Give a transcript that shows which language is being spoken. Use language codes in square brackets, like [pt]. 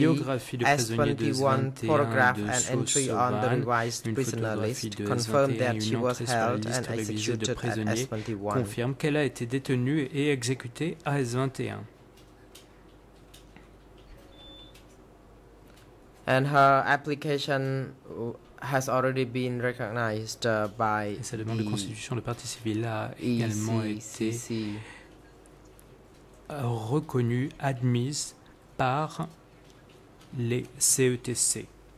[fr] biographie de [en] S21 photograph and entry on the revised prisoner list confirmed that she was held and executed at S21. [fr] Confirme qu'elle a été détenue et exécutée à S21. [en] And her application has already been recognized by [fr] et sa demande de constitution de partie civile a également été reconnue, admise par les CETC.